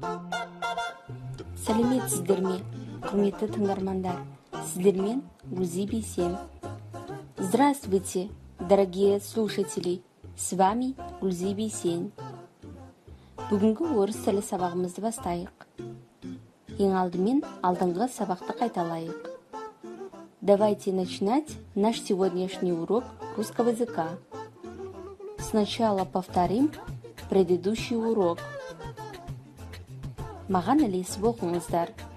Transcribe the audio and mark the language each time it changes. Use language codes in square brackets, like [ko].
[kk] Сәлеметсіздер ме, құрметті тыңдармандар, сіздермен Гузи Бейсен. [ru] Здравствуйте, дорогие слушатели, с вами Гузи Бейсен. [kk] Бүгінгі орыс тілі сабағымызды бастайық. Ең алдымен алдыңғы сабақты қайталайық. [ru] Давайте начинать наш сегодняшний урок русского языка. Сначала повторим предыдущий урок. [kk] Маған ілесіп оқыңыздар.